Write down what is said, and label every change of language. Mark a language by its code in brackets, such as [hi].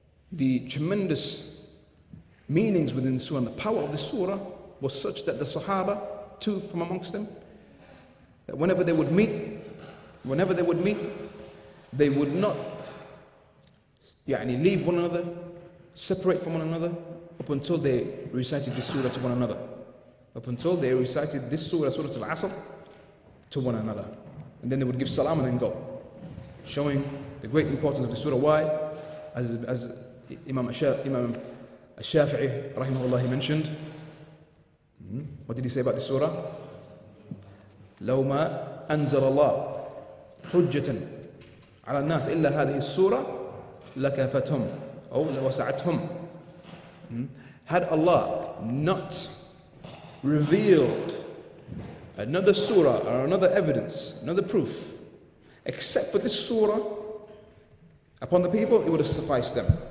[en] the tremendous meanings within the surah, and the power of the surah, was such that the Sahaba, two from amongst them, that whenever they would meet, they would not leave one another, separate from one another, up until they recited this surah, Surah Al-Asr, to one another. And then they would give salam and then go, showing the great importance of the surah. Why? As Imam Ash-Shafi'i, rahimahullah, he mentioned, what did he say about the surah? [ar] لو ما أنزل الله حجة على الناس إلا هذه السورة لكافتهم أو لوسعتهم. [en] Had Allah not revealed another surah or another evidence, another proof, except for this surah upon the people, it would have sufficed them.